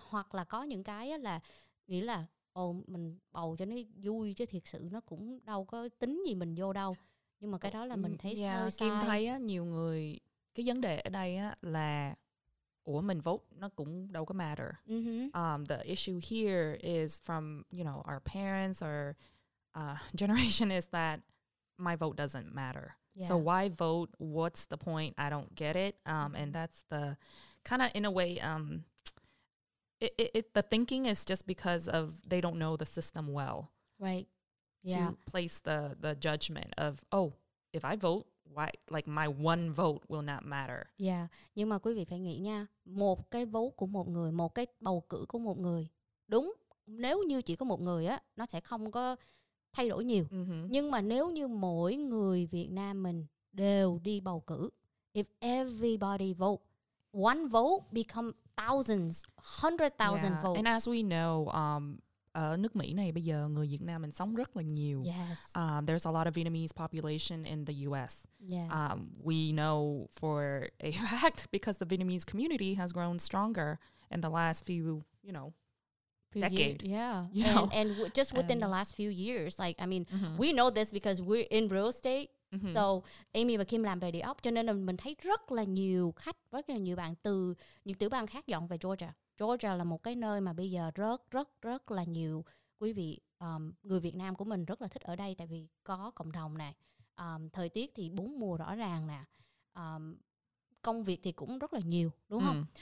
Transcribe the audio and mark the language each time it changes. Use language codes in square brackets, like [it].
[vi] Hoặc là có những cái á, là nghĩ là ồ, mình bầu cho nó vui chứ thiệt sự nó cũng đâu có tính gì mình vô đâu. Nhưng mà cái đó là mình thấy sai. Kim thấy á, nhiều người, cái vấn đề ở đây á, là ủa mình vote nó cũng đâu có matter. [en] The issue here is from, you know, our parents or generation is that my vote doesn't matter. Yeah. So why vote? What's the point? I don't get it. And that's the kind of, in a way, the thinking is just because of they don't know the system well. Right. To yeah. place the judgment of, oh, if I vote, why, like my one vote will not matter. Yeah. [vi] Nhưng mà quý vị phải nghĩ nha, một cái vote của một người, một cái bầu cử của một người, đúng, nếu như chỉ có một người á, nó sẽ không có thay đổi nhiều. Nhưng mà nếu như mỗi người Việt Nam mình đều đi bầu cử, [en] if everybody vote, one vote become thousands, [vi] 100,000 [en] yeah. votes. And as we know, [vi] ở nước Mỹ này bây giờ người Việt Nam mình sống rất là nhiều. [en] Yes. There's a lot of Vietnamese population in the US. Yes. We know for a fact because the Vietnamese community has grown stronger in the last few, you know, few decade. Years. Yeah. And just within the last few years, like, I mean, we know this because we're in real estate. [vi] So Amy và Kim làm về địa ốc cho nên là mình thấy rất là nhiều khách, rất là nhiều bạn từ những tiểu bang khác dọn về Georgia. Georgia là một cái nơi mà bây giờ rất rất rất là nhiều quý vị người Việt Nam của mình rất là thích ở đây, tại vì có cộng đồng này, thời tiết thì bốn mùa rõ ràng nè, công việc thì cũng rất là nhiều, đúng không?